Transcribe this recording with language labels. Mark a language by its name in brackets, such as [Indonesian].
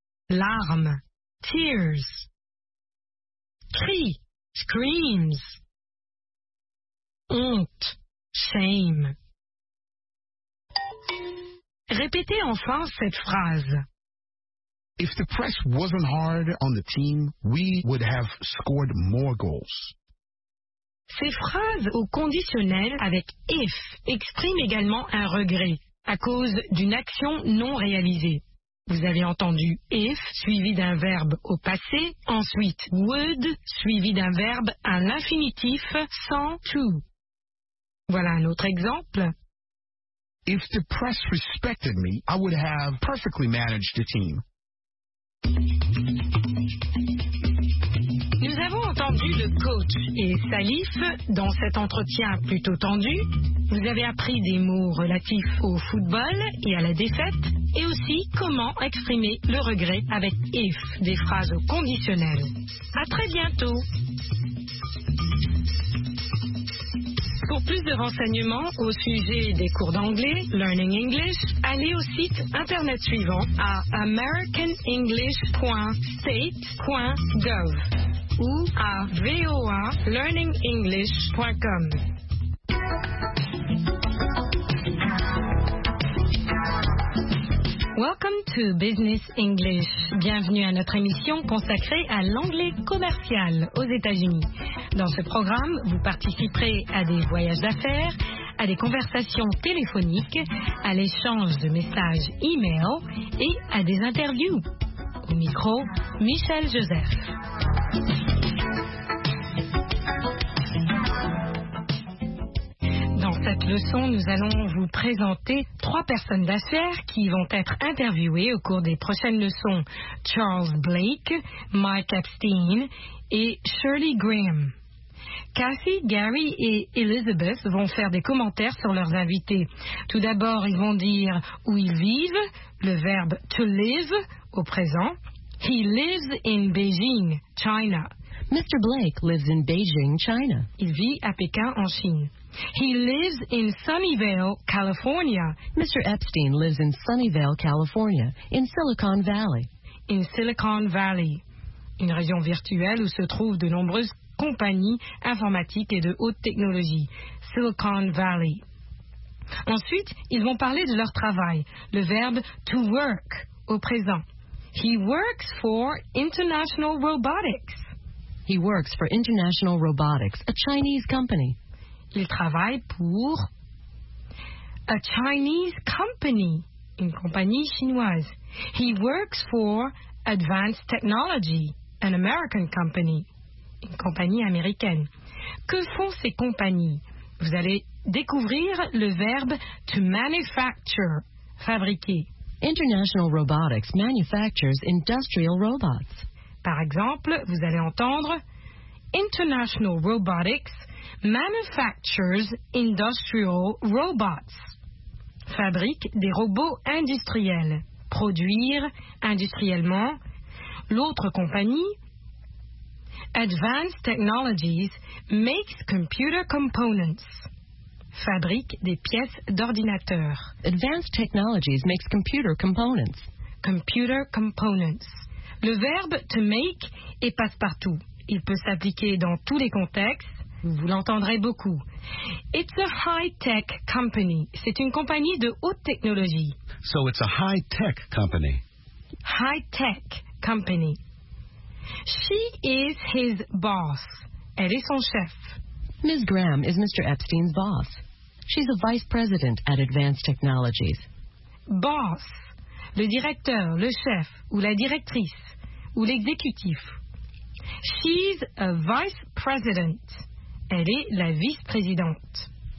[French] Larme, tears. Cri, screams. Honte, shame. Répétez enfin cette phrase. [English] If the press wasn't hard on the team, we would have scored more goals. [French] Ces phrases au conditionnel avec if expriment également un regret à cause d'une action non réalisée. Vous avez entendu if suivi d'un verbe au passé, ensuite would suivi d'un verbe à l'infinitif sans to. Voilà un autre exemple. [English] If the press respected me, I would have perfectly managed the team. [French] Nous avons entendu le coach et Salif dans cet entretien plutôt tendu. Vous avez appris des mots relatifs au football et à la défaite, et aussi comment exprimer le regret avec if, des phrases conditionnelles. À très bientôt. Pour plus de renseignements au sujet des cours d'anglais, Learning English, allez au site internet suivant à americanenglish.state.gov ou à voalearningenglish.com. [English] Welcome to Business English. [French] Bienvenue à notre émission consacrée à l'anglais commercial aux États-Unis. Dans ce programme, vous participerez à des voyages d'affaires, à des conversations téléphoniques, à l'échange de messages e-mail et à des interviews. Au micro, Michel Joseph. Cette leçon, nous allons vous présenter trois personnes d'affaires qui vont être interviewées au cours des prochaines leçons. Charles Blake, Mike Epstein et Shirley Graham. Cathy, Gary et Elizabeth vont faire des commentaires sur leurs invités. Tout d'abord, ils vont dire où ils vivent, le verbe « to live » au présent. [English] « He lives in Beijing, China ». Mr. Blake lives in Beijing, China. [French] Il vit à Pékin, en Chine. [English] He lives in Sunnyvale, California. Mr. Epstein lives in Sunnyvale, California, in Silicon Valley. [French] In Silicon Valley, une région virtuelle où se trouvent de nombreuses compagnies informatiques et de haute technologie. Silicon Valley. Ensuite, ils vont parler de leur travail. Le verbe to work au présent. [English] He works for International Robotics. He works for International Robotics, a Chinese company. [French] Il travaille pour [English] a Chinese company, [French] une compagnie chinoise. [English] He works for Advanced Technology, an American company, [French] une compagnie américaine. Que font ces compagnies? Vous allez découvrir le verbe to manufacture, fabriquer. [English] International Robotics manufactures industrial robots. [French] Par exemple, vous allez entendre [English] International Robotics manufactures industrial robots. [French] Fabrique des robots industriels. Produire industriellement. L'autre compagnie, Advanced Technologies [English] makes computer components. [French] Fabrique des pièces d'ordinateur. [English] Advanced Technologies makes computer components. [French] Computer components. Le verbe to make est passe-partout. Il peut s'appliquer dans tous les contextes. Vous l'entendrez beaucoup. [English] It's a high-tech company. [French] C'est une compagnie de haute technologie. [English] So it's a high-tech company. High-tech company. She is his boss. [French] Elle est son chef. [English] Ms. Graham is Mr. Epstein's boss. She's a vice president at Advanced Technologies. Boss. [French] Le directeur, le chef ou la directrice ou l'exécutif. [English] She's a vice president. [French] Elle est la vice-présidente.